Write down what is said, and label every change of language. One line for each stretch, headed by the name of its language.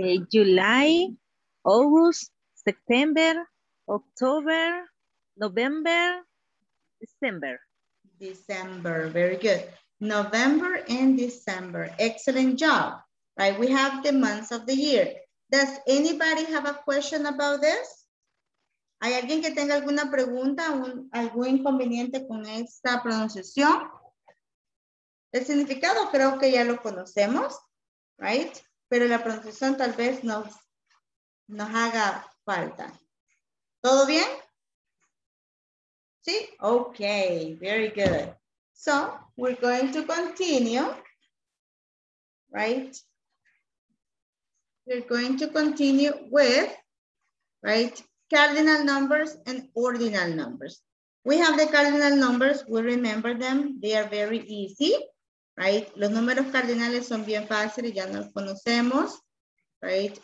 English: July, August, September, October, November, December. December, very good. November and December, excellent job. Right, we have the months of the year. Does anybody have a question about this?
Spanish: ¿Hay alguien que tenga alguna pregunta o algún inconveniente con esta pronunciación? El significado creo que ya lo conocemos, right? Pero la pronunciación tal vez nos haga falta. ¿Todo bien? ¿Sí?
English: Okay, very good. So, we're going to continue, right? We're going to continue with, right, cardinal numbers and ordinal numbers. We have the cardinal numbers, we remember them, they are very easy, right?
Spanish: Los números cardinales son bien fáciles, ya nos conocemos, right?